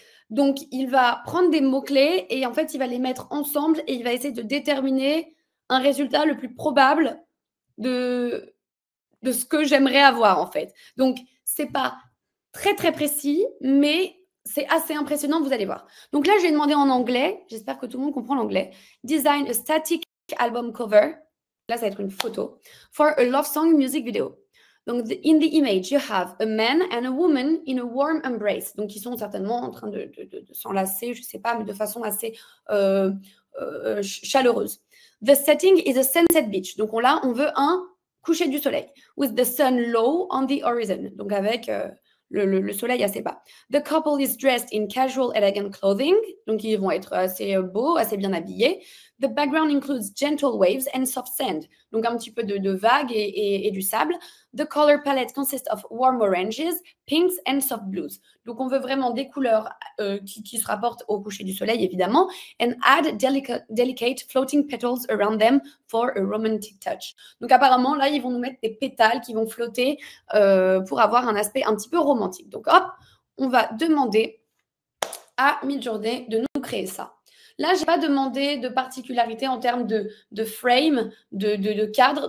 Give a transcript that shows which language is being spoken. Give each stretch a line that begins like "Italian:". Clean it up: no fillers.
French: Donc, il va prendre des mots-clés et en fait, il va les mettre ensemble et il va essayer de déterminer un résultat le plus probable de ce que j'aimerais avoir en fait. Donc, ce n'est pas très, très précis, mais c'est assez impressionnant, vous allez voir. Donc là, j'ai demandé en anglais, j'espère que tout le monde comprend l'anglais, «
English: Design a static album cover
French: », là, ça va être une photo, «
English: for a love song music video ». Donc, in the image, you have a man and a woman in a warm embrace.
French: Donc, ils sont certainement en train de s'enlacer, je ne sais pas, mais de façon assez chaleureuse.
English: The setting is a sunset beach.
French: Donc, là, on veut un coucher du soleil.
English: With the sun low on the horizon.
French: Donc, avec le soleil assez bas.
English: The couple is dressed in casual, elegant clothing.
French: Donc, ils vont être assez beaux, assez bien habillés.
English: The background includes gentle waves and soft sand.
French: Donc, un petit peu de vagues et du sable.
English: The color palette consists of warm oranges, pinks and soft blues.
French: Donc, on veut vraiment des couleurs qui se rapportent au coucher du soleil, évidemment.
English: And add delicate floating petals around them for a romantic touch.
French: Donc, apparemment, là, ils vont nous mettre des pétales qui vont flotter pour avoir un aspect un petit peu romantique. Donc, hop, on va demander à Midjourney de nous créer ça. Là, je n'ai pas demandé de particularité en termes de frame, de cadre.